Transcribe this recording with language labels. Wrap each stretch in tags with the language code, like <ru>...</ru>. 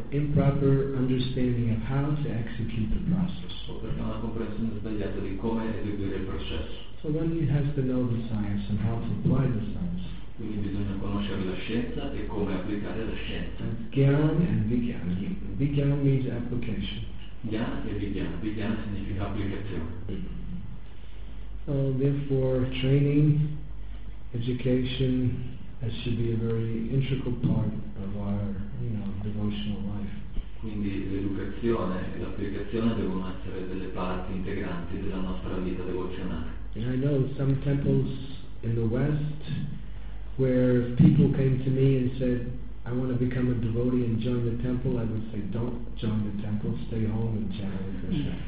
<en>improper understanding of how to execute the process. So then he has to know the science and how to apply the science.</en> <it>Quindi bisogna conoscere la scienza e come applicare la scienza.</it> <en>Gyan and vigyan. Vigyan means application.</en> <it>Gyan e vigyan. Vigyan significa applicazione.</it> <en>So therefore, training, education, that should be a very integral part of our, you know, devotional life.</en> <it>Quindi l'educazione e l'applicazione devono essere delle parti integranti della nostra vita devozionale.</it> <en>And I know some temples in the West, where if people came to me and said, I want to become a devotee and join the temple, I would say, don't join the temple, stay home and chant Hare Krishna.</en>